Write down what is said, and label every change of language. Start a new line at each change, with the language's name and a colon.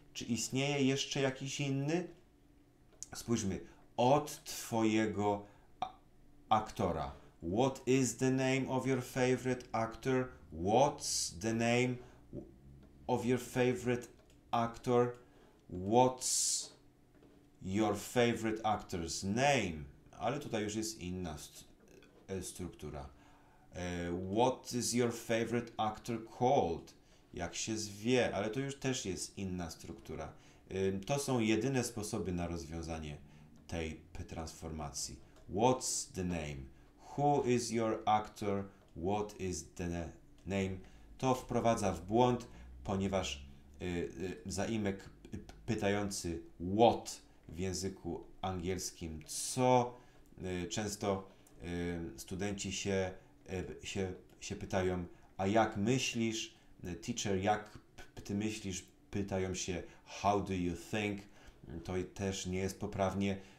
Polish: Czy istnieje jeszcze jakiś inny? Spójrzmy. Od twojego aktora.
English: What is the name of your favorite actor? What's the name of your favorite actor? What's your favorite actor's name?
Polish: Ale tutaj już jest inna struktura.
English: What is your favorite actor called?
Polish: Jak się zwie, ale to już też jest inna struktura. To są jedyne sposoby na rozwiązanie tej transformacji.
English: What's the name? Who is your actor? What is the name?
Polish: To wprowadza w błąd, ponieważ zaimek pytający what w języku angielskim, co, często studenci się pytają, a jak myślisz, teacher, jak ty myślisz, pytają się,
English: how do you think,
Polish: to też nie jest poprawnie.